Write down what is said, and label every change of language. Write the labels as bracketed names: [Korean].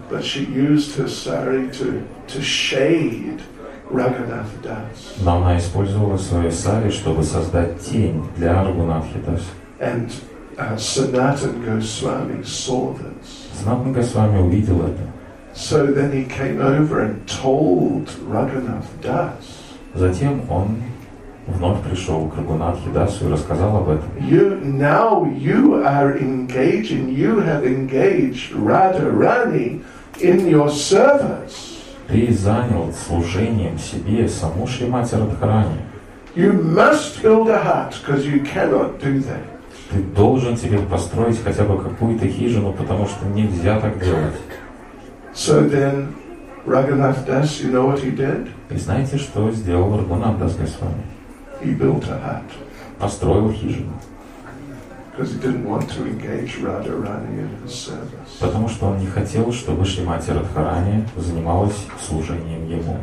[English] But she used her sari to shade Raghunath Das. [Russian] Но она использовала свою сари, чтобы создать тень для Рагунатхи Даса. [English] And Sanatan Goswami saw this. [Russian] Sanatan Goswami увидел это. [English] So then he came over and told Raghunath Das. [Russian] Затем он вновь пришел к Рагунатхе Дасу и рассказал об этом. [English] You have engaged Radharani in your service. [Russian] Ты занял служением себе саму Шримати Радхарани. [English] You must build a hut, because you cannot do that. [Russian] Ты должен тебе построить хотя бы какую-то хижину, потому что нельзя так делать. [English] So then, Raghunath Das, you know what he did? [Russian] И знаете, что сделал Рагунат Дас Госвами? [English] He built a hut. [Russian] Построил хижину. [English] Because he didn't want to engage Radharani in his service. [Russian] Потому что он не хотел, чтобы Шримати Радхарани занималась служением ему.